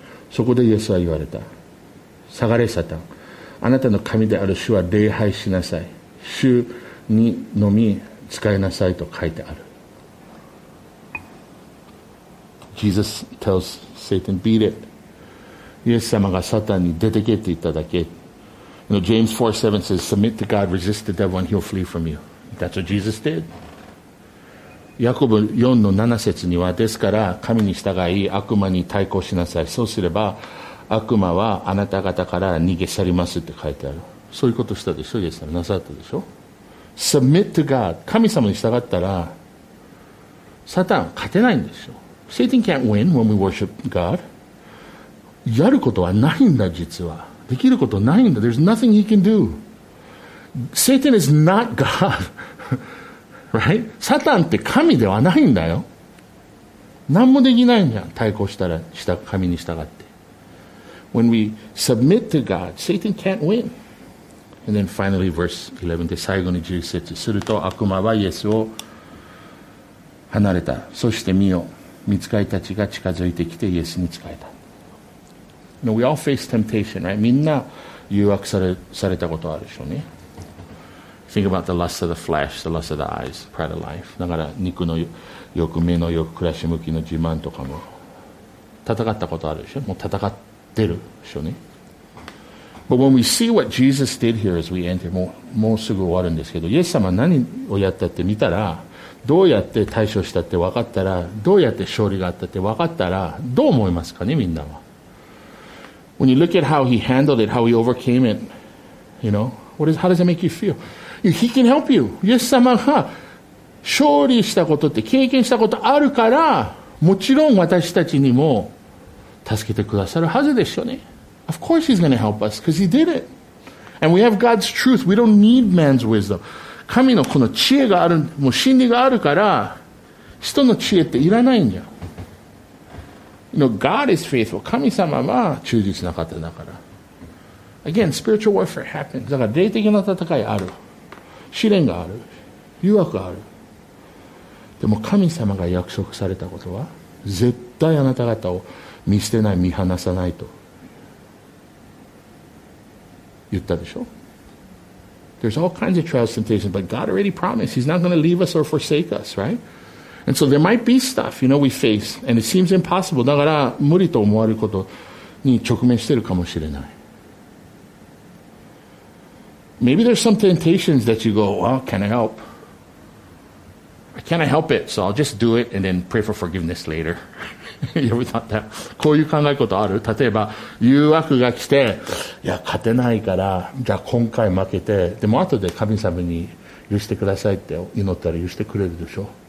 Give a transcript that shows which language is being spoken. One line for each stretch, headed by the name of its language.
Japanese: そこでイエスは言われた。下がれ、サタン。あなたの神である主は礼拝しなさい。主にのみ使いなさいと書いてある。
English: Jesus tells Satan, beat it.
Japanese: イエス様がサタンに出てけって言っただけ。
English: You know, James 4:7 says, submit to God, resist the devil, and he'll flee from you. That's what Jesus did.
Japanese: ヤコブ 4:7 節には、ですから神に従い悪魔に対抗しなさい。そうすれば悪魔はあなた方から逃げ去りますって書いてある。そういうことしたでしょ、イエス様。なさったでしょ。
English: Submit to God.
Japanese: 神様に従ったら、サタン勝てないんですよ。
English: Satan can't win when we worship God.
Japanese: やることはないんだ、実は。できることないんだ。
English: There's nothing he can do. Satan is not God. Right?
Japanese: サタンって神ではないんだよ。何もできないんじゃん。対抗したら、神に従って。
English: When we submit to God, Satan can't win. And then finally, verse 11,
Japanese: で最後に10節。すると悪魔はイエスを離れた。そして見よ。御使いたちが近づいてきてイエスに仕えた。
English: Now, we all face temptation, right?
Japanese: みんな誘惑されたことあるでしょうね。
English: Think about the lust of the flesh, the lust of the eyes, pride of life.
Japanese: だから肉の欲、目の欲、暮らし向きの自慢とかも戦ったことあるでしょ。もう戦ってるでしょうね。
English: But when we see what Jesus did here as we enter,
Japanese: もうすぐ終わるんですけど、イエス様何をやったって見たら、どうやって対処したって分かったら、どうやって勝利があったって分かったら、どう思いますかね、みんなは。
English: When you look at how he handled it, how he overcame it, you know, how does that make you feel? He can help you.
Japanese: イエス様が勝利したことって経験したことあるから、もちろん私たちにも助けてくださるはずでしょうね。
English: Of course he's going to help us, because he did it. And we have God's truth. We don't need man's wisdom.
Japanese: 神のこの知恵がある、もう真理があるから、人の知恵っていらないんじゃ。
English: You know, God is faithful.
Japanese: 神様は忠実な方だから。
English: Again, spiritual warfare happens.
Japanese: だから霊的な戦いある。試練がある。誘惑がある。でも神様が約束されたことは、絶対あなた方を見捨てない、見放さないと。言ったでしょ。
English: There's all kinds of trials and temptations, but God already promised He's not going to leave us or forsake us, right? And so there might be stuff, you know, we face, and it seems impossible.
Japanese: だから無理と思われることに直面してるかもしれない。
English: Maybe there's some temptations that you go, well, can I help? Can I help it? So I'll just do it and then pray for forgiveness later. You ever thought that?
Japanese: こういう考えことある？例えば、誘惑が来て、いや、勝てないから、じゃあ今回負けて、でも後で神様に許してくださいって祈ったら許してくれるでしょ？